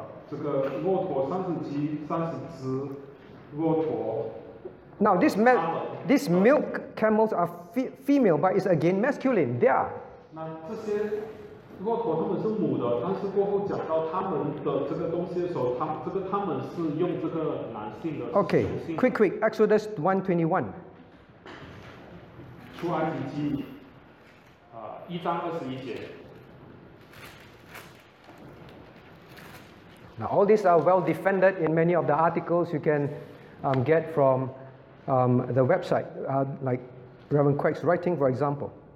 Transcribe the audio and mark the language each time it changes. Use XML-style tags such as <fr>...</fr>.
<zh>这个骆驼三十几，三十只骆驼。</zh> <en>Now this milk camels are female, but it's again masculine. They are.</en> <zh>那这些骆驼他们是母的，但是过后讲到他们的这个东西的时候，他们是用这个男性的。</zh> <en>Okay, quick, Exodus 1:21.</en> <zh>出埃及记，一章二十一节。</zh> <en>Now, all these are well defended in many of the articles you can get from the website, like Reverend Quek's writing, for example.</en>